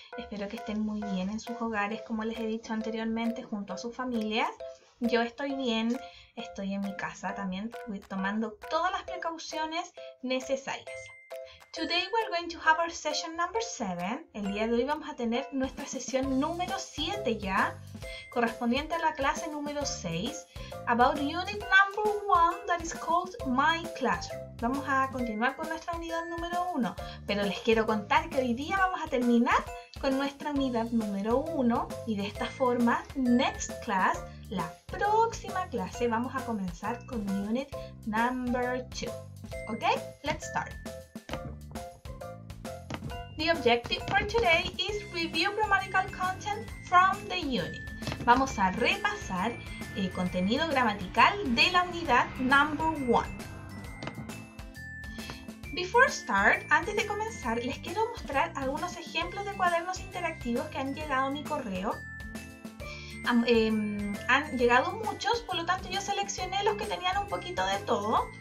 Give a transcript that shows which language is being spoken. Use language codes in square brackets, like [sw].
[es] Espero que estén muy bien en sus hogares, como les he dicho anteriormente, junto a sus familias. Yo estoy bien, estoy en mi casa también, tomando todas las precauciones necesarias. [en] Today we're going to have our session number 7. [es] El día de hoy vamos a tener nuestra sesión número 7 ya, correspondiente a la clase número 6, [en] about unit number 1 that is called My Classroom. [es] Vamos a continuar con nuestra unidad número 1, pero les quiero contar que hoy día vamos a terminar con nuestra unidad número 1 y de esta forma, [en] next class, [es] la próxima clase, vamos a comenzar con unit number 2. [en] ¿Ok? Let's start. The objective for today is review grammatical content from the unit. [es] Vamos a repasar el contenido gramatical de la unidad number 1. [en] Before start, [es] antes de comenzar, les quiero mostrar algunos ejemplos de cuadernos interactivos que han llegado a mi correo. Han llegado muchos, por lo tanto yo seleccioné los que tenían un poquito de todo.